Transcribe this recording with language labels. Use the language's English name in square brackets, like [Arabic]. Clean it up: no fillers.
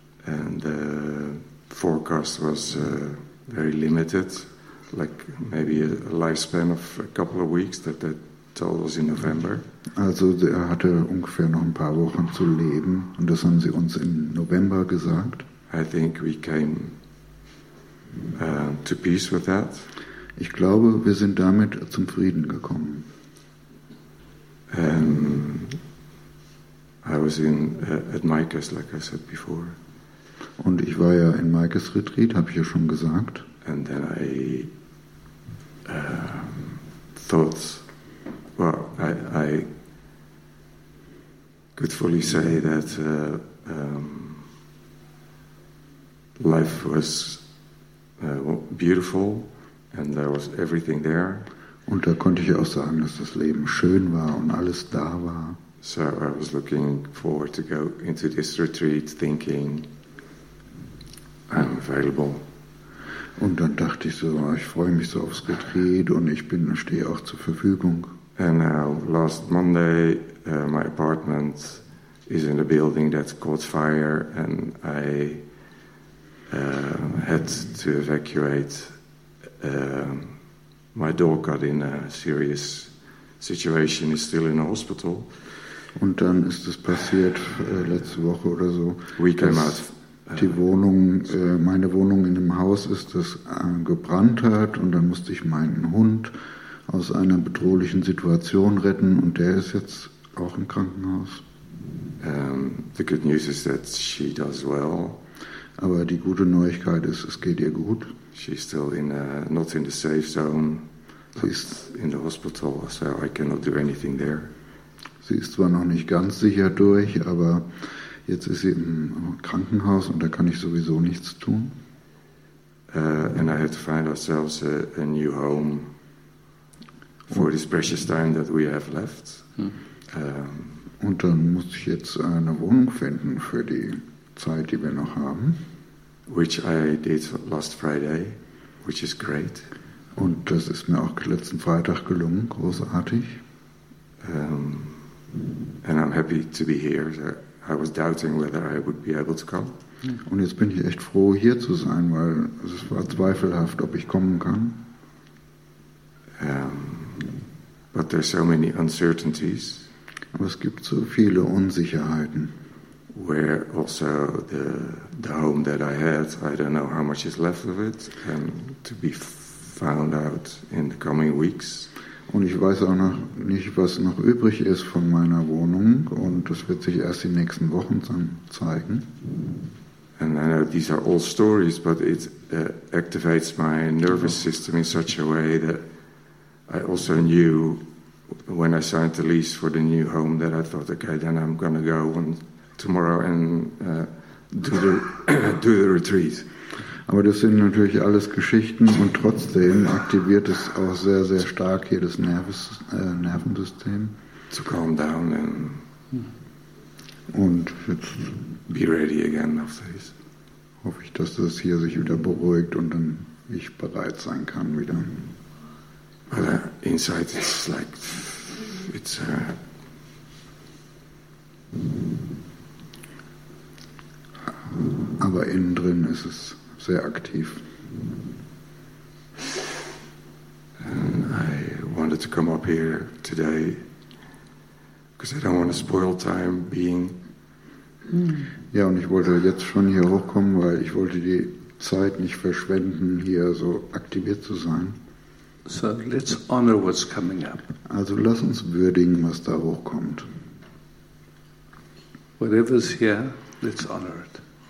[English] And the forecast was very limited, like maybe a lifespan of a couple of weeks that they told us in November. [German] Also er hatte ungefähr noch ein paar Wochen zu leben und das haben sie uns im November gesagt. [English] I think we came to peace with that. [German] Ich glaube, wir sind damit zum Frieden gekommen. [English] I was in at Micah's, like I said before. [German] Und ich war ja in Micah's Retreat, habe ich ja schon gesagt. [English] And then I thought, well, I could fully say that life was beautiful. And there was everything there. [German] Und da konnte ich auch sagen, dass das Leben schön war und alles da war. [English] So I was looking forward to go into this retreat, thinking I'm available. [German] Und dann dachte ich so, ich freue mich so aufs Retreat und stehe auch zur Verfügung. [English] And now last Monday, my apartment is in a building that caught fire, and I had to evacuate. My dog got in a serious situation, is still in a hospital. [German] Und dann ist es passiert letzte Woche oder so. [English] We came out. [German] Die Wohnung, meine Wohnung in dem Haus ist es gebrannt hat und dann musste ich meinen Hund aus einer bedrohlichen Situation retten und der ist jetzt auch im Krankenhaus. [English] The good news is that she does well. [German] Aber die gute Neuigkeit ist, es geht ihr gut. [English] She's still in not in the safe zone. She's in the hospital, so I cannot do anything there. [German] Sie ist zwar noch nicht ganz sicher durch, aber jetzt ist sie im Krankenhaus und da kann ich sowieso nichts tun. [English] And I had to find ourselves a new home for this precious time that we have left. [German] Und dann muss ich jetzt eine Wohnung finden für die Zeit, die wir noch haben. [English] Which I did last Friday, which is great. [German] Und das ist mir auch letzten Freitag gelungen, großartig. [English] And I'm happy to be here. So I was doubting whether I would be able to come. [German] Und jetzt bin ich echt froh, hier zu sein, weil es war zweifelhaft, ob ich kommen kann. [English] But there's so many uncertainties. [German] Aber es gibt so viele Unsicherheiten. [English] Where also the home that I had, I don't know how much is left of it, and to be found out in the coming weeks. [German] Und ich weiß auch noch nicht, was noch übrig ist von meiner Wohnung, und das wird sich erst die nächsten Wochen zeigen. [English] And I know these are all stories, but it activates my nervous system in such a way that I also knew when I signed the lease for the new home that I thought, okay, then I'm gonna go and tomorrow and do the retreat. [German] Aber das sind natürlich alles Geschichten und trotzdem aktiviert es auch sehr, sehr stark hier das Nervensystem. [English] To calm down and [German] und jetzt [English] be ready again after this. [German] Hoffe ich, dass das hier sich wieder beruhigt und dann ich bereit sein kann wieder. [English] But inside it's like it's [German] aber innen drin ist es sehr aktiv. [English] I wanted to come up here today because I don't want to spoil time being. [German] Ja, und ich wollte jetzt schon hier hochkommen, weil ich wollte die Zeit nicht verschwenden, hier so aktiviert zu sein. [English] So let's honor what's coming up. [German] Also lass uns würdigen, was da hochkommt. [English] Whatever's here, let's honor it.